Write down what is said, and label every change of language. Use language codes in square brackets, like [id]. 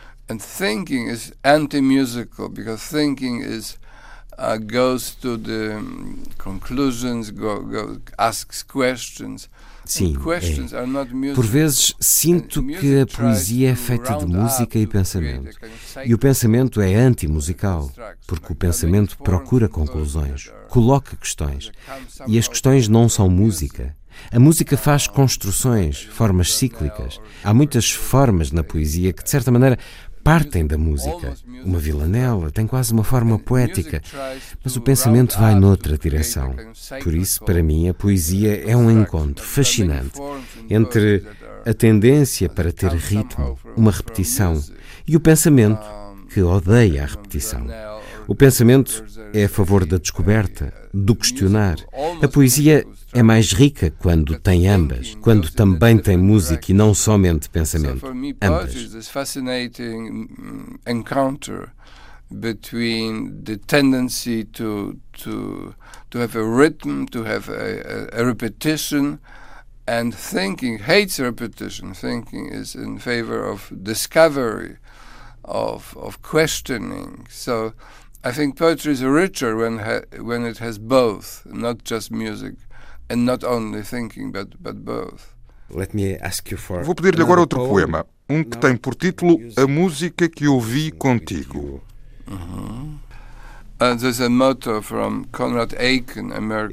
[en] And thinking is anti-musical because thinking is goes to the conclusions, asks questions. [pt] Sim, [en] questions are not musical. [pt] Por vezes sinto que a poesia é feita de música e pensamento. E o pensamento é anti-musical, porque o pensamento procura conclusões, coloca questões. E as questões não são música. A música faz construções, formas cíclicas. Há muitas formas na poesia que, de certa maneira, partem da música. Uma vilanela tem quase uma forma poética, mas o pensamento vai noutra direção. Por isso, para mim, a poesia é um encontro fascinante entre a tendência para ter ritmo, uma repetição, e o pensamento, que odeia a repetição. O pensamento é a favor da descoberta, do questionar. A poesia é mais rica quando tem ambas, quando também tem música e não somente pensamento. Ambas. Para mim, poesia é um [en] fascinating encounter between the tendency to have a rhythm, to have a repetition, and thinking hates repetition. Thinking is in favor of discovery, of questioning. So I think poetry is richer when it has both, not just music. And not only thinking, but both. Let me ask you for. [pt] Vou pedir-lhe agora outro poema, um que tem por título A Música que Ouvi Contigo. [en] There's a motto from Conrad Aiken, American.